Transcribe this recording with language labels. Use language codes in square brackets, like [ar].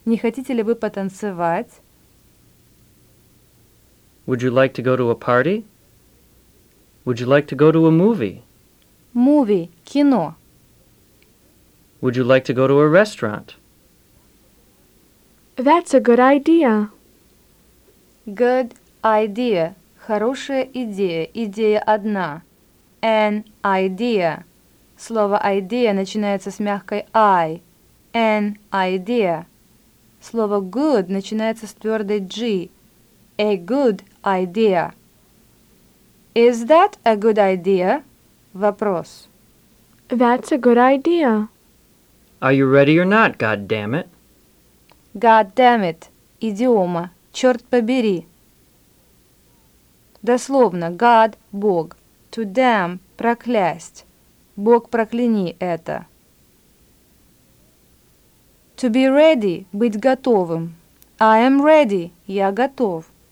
[ru] Не хотите ли вы потанцевать? [en] Would you like to go to a party? Would you like to go to a movie? Movie, кино. Would you like to go to a restaurant? That's a good idea. Good idea. [ru] Хорошая идея. Идея одна. [en] An idea. [ru] Слово idea начинается с мягкой I. [en] An idea. [ru] Слово good начинается с твердой G. [en] A good idea. Is that a good idea? Вопрос. That's a good idea. Are you ready or not, goddammit? [ru] Goddammit. Идиома. Черт побери. Дословно, God, Бог. [en] To damn, [ru] проклясть. Бог, прокляни это. [en] To be ready, [ru] быть готовым. [en] I am ready, [ru] я готов.